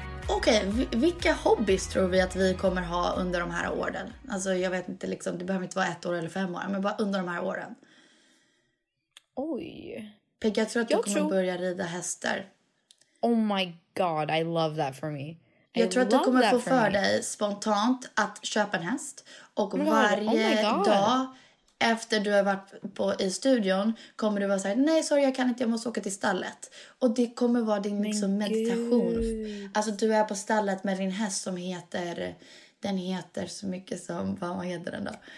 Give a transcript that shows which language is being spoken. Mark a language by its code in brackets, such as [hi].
[sv] Okej, vilka hobbies tror vi att vi kommer ha under de här åren? Alltså jag vet inte, liksom, det behöver inte vara 1 år eller 5 år, men bara under de här åren. Oj. Pekka, jag tror att du kommer börja rida hästar. [en] Oh my god, I love that for me. [sv] Jag tror att du kommer få för dig spontant att köpa en häst. Och varje dag efter du har varit i studion kommer du vara såhär, nej sorry jag kan inte, jag måste åka till stallet. Och det kommer vara din liksom meditation. Gud. Alltså du är på stallet med din häst som heter, den heter så mycket som, vad heter den då?